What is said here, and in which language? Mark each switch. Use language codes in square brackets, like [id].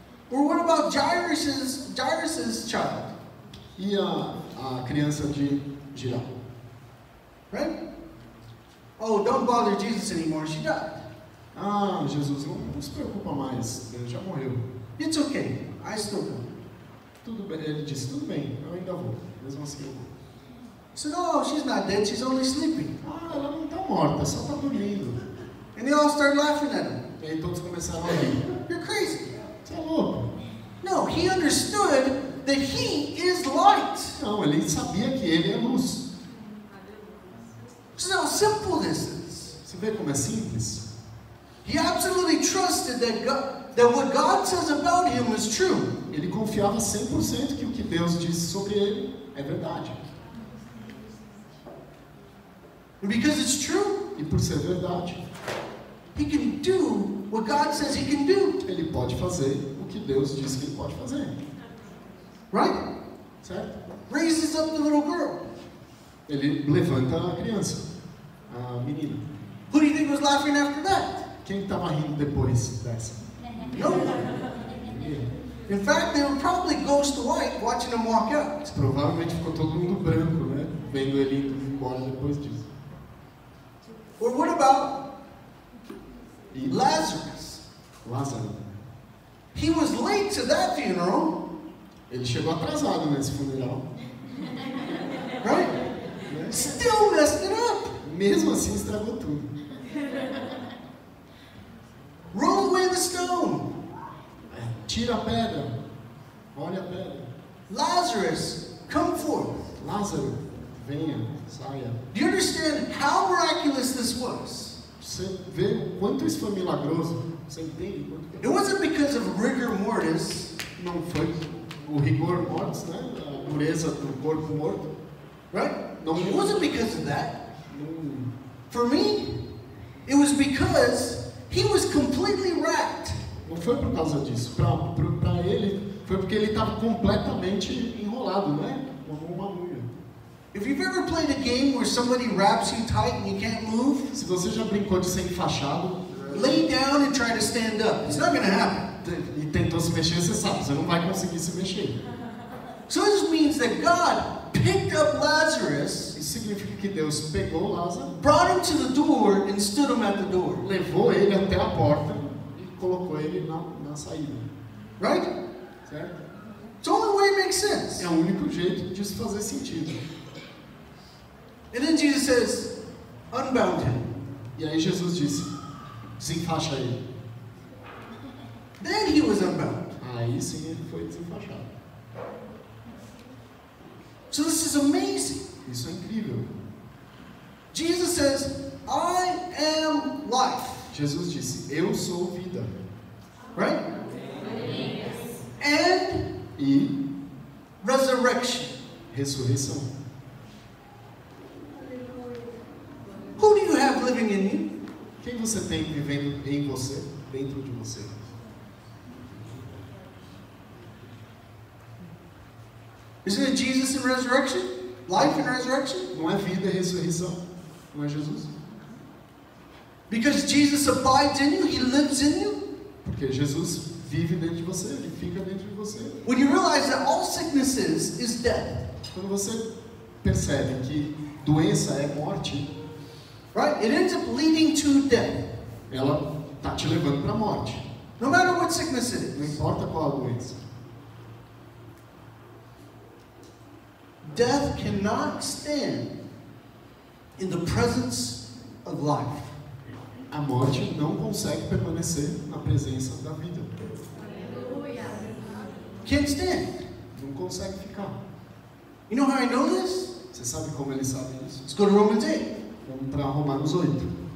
[en] Or what about Jairus's child? [pt] E a criança de Jairo. [en] Right? Oh, don't bother Jesus anymore. She died. [pt] Ah, Jesus, não se preocupa mais. Ele já morreu. [en] It's okay. I still go. [pt] Tudo bem. Ele disse, tudo bem. Eu ainda vou. [en] So, no, she's not dead, she's only sleeping. [pt] Ah, ela não está morta, só está dormindo. [en] And they all start laughing at him. [pt] E aí todos começaram a rir. [en] You're crazy. [pt] Você é louco. [en] No, he understood that he is light. [pt] Não, ele sabia que ele é luz. [en] So, how simple this is. [pt] Você vê como é simples? [en] He absolutely trusted that God. That what God says about him is true. [pt] Ele confiava 100% que o que Deus disse sobre ele é verdade. [en] Because it's true, [pt] e por ser verdade, [en] he can do what God says he can do. [pt] Ele pode fazer o que Deus diz que ele pode fazer. [en] Right? [pt] Certo? [en] Raises up the little girl. [pt] Ele levanta a criança, a menina. [en] Who do you think was laughing after that? [pt] Quem estava rindo depois dessa? [en] No. In fact, they were probably ghost white watching him walk out. [pt] Provavelmente ficou todo mundo branco, né? Vendo ele indo embora depois disso. [en] Or what about Lazarus? [pt] Lázaro. [en] He was late to that funeral. [pt] Ele chegou atrasado nesse funeral. [en] Right? Still messed it up. [pt] Mesmo assim, estragou tudo. [en] Roll away the stone. [pt] Tira a pedra. Olha a pedra. [en] Lazarus, come forth. [pt] Lázaro, venha, saia. [en] Do you understand how miraculous this was? [pt] Você vê quanto isso foi milagroso? Você entende? [en] It wasn't because of rigor mortis. [pt] Não foi o rigor mortis, né? A dureza do corpo morto. [en] Right? [pt] Não. [en] It wasn't because of that. [pt] Não. [en] For me, it was because he was completely wrecked. [pt] Não foi por causa disso. Para ele, foi porque ele estava completamente enrolado, né? Como uma mulher. [en] If you've ever played a game where somebody wraps you tight and you can't move, [pt] se você já brincou de ser enfaixado, [en] lay down and try to stand up. It's not going to happen. [pt] E tentou se mexer, você sabe, você não vai conseguir se mexer. [en] So this means that God picked up Lazarus. [pt] Isso significa que Deus pegou Lázaro, [en] brought him to the door and stood him at the door. [pt] Levou ele até a porta. Colocou ele na saída. [en] Right? [pt] Certo? [en] It's the only way it makes sense. [pt] É o único jeito de isso fazer sentido. [en] And then Jesus says, unbound him. [pt] E aí Jesus disse, desenfaixa ele. [en] Then he was unbound. [pt] Aí sim ele foi desenfaixado. [en] So this is amazing. [pt] Isso é incrível. [en] Jesus says, I am life. [pt] Jesus disse, eu sou vida. [en] Right? Yes. And [pt] e [en] resurrection. [pt] Ressurreição. [en] Who do you have living in you? [pt] Quem você tem vivendo em você, dentro de você? [en] Isn't it Jesus and resurrection? Life and resurrection? [pt] Não é vida e ressurreição. Não é Jesus? [en] Because Jesus abides in you, he lives in you. [pt] Porque Jesus vive dentro de você, ele fica dentro de você. [en] When you realize that all sicknesses is death. [pt] Quando você percebe que doença é morte. [en] Right? It ends up leading to death. [pt] Ela está te levando para a morte. [en] No matter what sickness it is. [pt] Não importa qual a doença. [en] Death cannot stand in the presence of life. [pt] A morte não consegue permanecer na presença da vida. [en] Can't stand. [pt] Não consegue ficar. [en] You know how I know this? [pt] Você sabe como ele sabe isso? [en] Let's go to Romans 8. [pt] Vamos para Romanos 8.